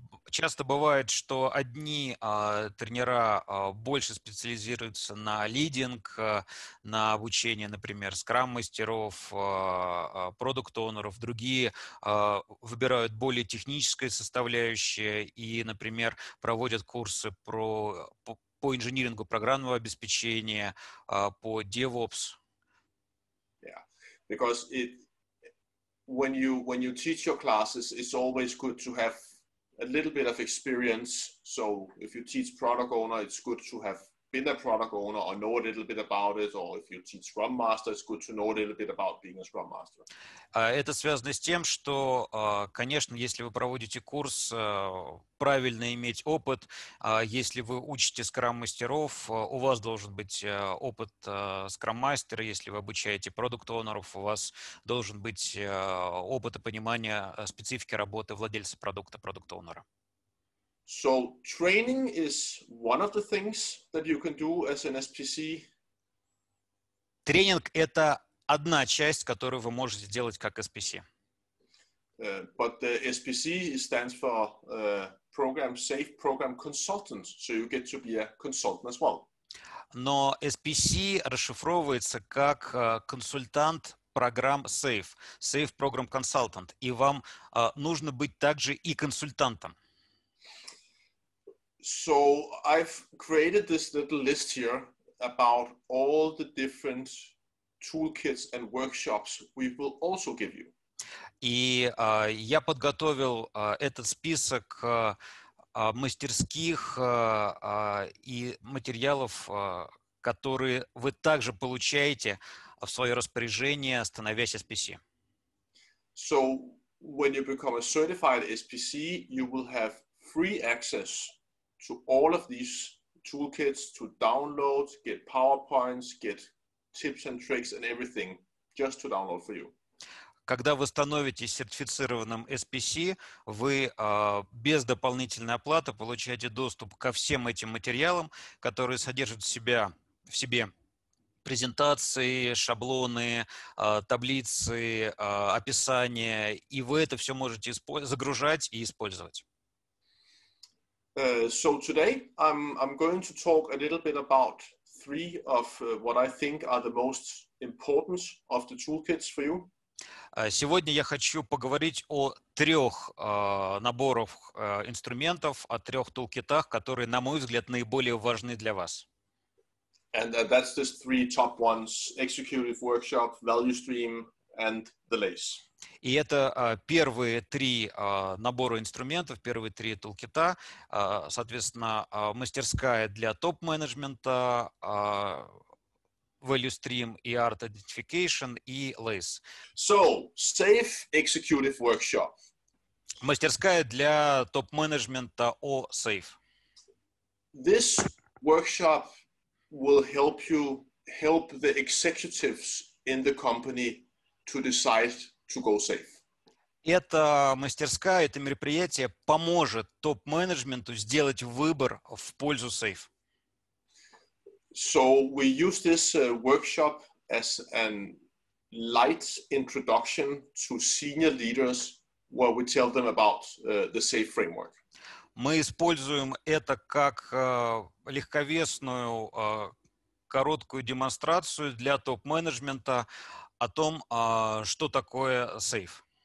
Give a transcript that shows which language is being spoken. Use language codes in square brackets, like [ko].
[ru] Часто бывает, что одни тренера больше специализируются на лидинг, на обучение, например, скрам-мастеров, продукт-онеров, другие выбирают более техническое составляющее и, например, проводят курсы по инжинирингу программного обеспечения, по DevOps. [en] Yeah, because when you teach your classes, it's always good to have a little bit of experience. So if you teach product owner, it's good to have been a product owner or know a little bit about it. Or if you teach Scrum Master, it's good to know a little bit about being a Scrum Master. [ru] Это связано с тем, что, конечно, если вы проводите курс, правильно иметь опыт. Если вы учите скрам-мастеров, у вас должен быть опыт скрам-мастера. Если вы обучаете продукт-онеров, у вас должен быть опыт и понимание специфики работы владельца продукта, продукт-онера. [en] So training is one of the things that you can do as an SPC. [ru] Тренинг – это одна часть, которую вы можете делать как SPC. [en] But the SPC stands for Program Safe Program Consultant, so you get to be a consultant as well. [ru] Но SPC расшифровывается как консультант программ Safe, Safe Program Consultant, и вам нужно быть также и консультантом. [en] So I've created this little list here about all the different toolkits and workshops we will also give you. [ru] И я подготовил этот список мастерских и материалов, которые вы также получаете в свое распоряжение, становясь SPC. [en] So when you become a certified SPC, you will have free access to all of these toolkits, to download, get PowerPoints, get tips and tricks and everything, just to download for you. [ru] Когда вы становитесь сертифицированным SPC, вы без дополнительной оплаты получаете доступ ко всем этим материалам, которые содержат в себе презентации, шаблоны, таблицы, описания, и вы это все можете загружать и использовать. [en] So today I'm going to talk a little bit about three of what I think are the most important of the toolkits for you. [ru] Сегодня я хочу поговорить о трех наборах инструментов, о трех тулкитах, которые, на мой взгляд, наиболее важны для вас. [en] And that's the three top ones: executive workshop, value stream, and delays. [ru] И это первые три набора инструментов, первые три тулкита, соответственно, мастерская для топ-менеджмента, value stream и art identification и LACE. [en] So, safe executive workshop. [ru] Мастерская для топ-менеджмента о SAFE. [en] This workshop will help you help the executives in the company to decide to go safe. [ru] Эта мастерская, это мероприятие поможет топ-менеджменту сделать выбор в пользу SAFE. [en] So we use this workshop as a light introduction to senior leaders, where we tell them about the SAFE framework. [ru] Мы используем это как легковесную короткую демонстрацию для топ-менеджмента о том, что такое SAFE.